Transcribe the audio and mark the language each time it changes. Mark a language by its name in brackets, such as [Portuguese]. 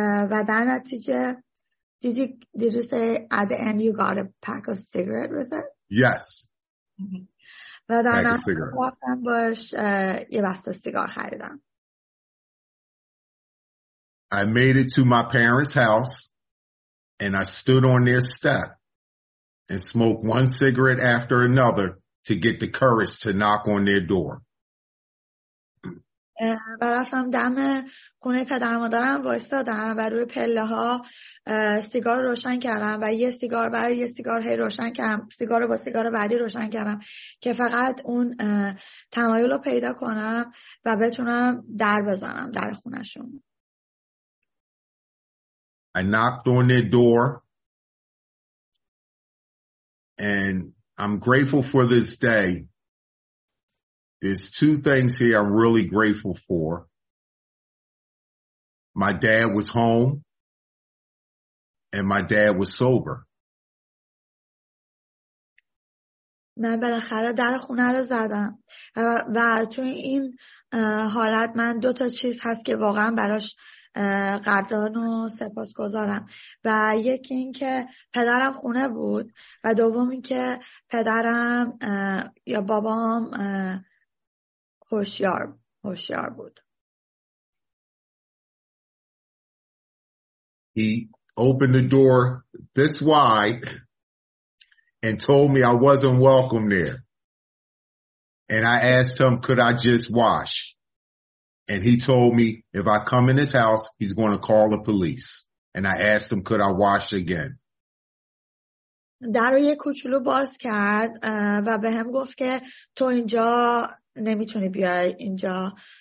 [Persian] و در نتیجه [English] Did you say at the end you got a pack of cigarette with it? Yes. [Persian] و در نهایت رفتم باش یه بسته سیگار خریدم. [English] I made it to my parents' house and I stood on their step and smoked one cigarette after another to get the courage to knock on their door. [Persian] و رفتم دم خونه پدر مادرم وایستادم و روی پله ها سیگار روشن کردم و یه سیگار برای یه سیگار هی روشن کردم، سیگار با سیگار بعدی روشن کردم که فقط اون تمایل رو پیدا کنم و بتونم در بزنم در خونشون. [English] I knocked on their door And I'm grateful for this day. There's two things here I'm really grateful for. My dad was home and my dad was sober. [Persian] من بالاخره در خونه رو زدم و تو این حالت من دو تا چیز هست که واقعا براش قدردان و سپاسگزارم و یکی این که پدرم خونه بود و دوم این که پدرم یا بابام هوشیار بود. [English] He opened the door this wide and told me I wasn't welcome there. And I asked him, could I just wash? And he told me, if I come in his house, he's going to call the police. And I asked him, could I wash again? [Persian] در رو یه کوچولو باز کرد و به هم گفت که تو اینجا نمیتونی بیای اینجا.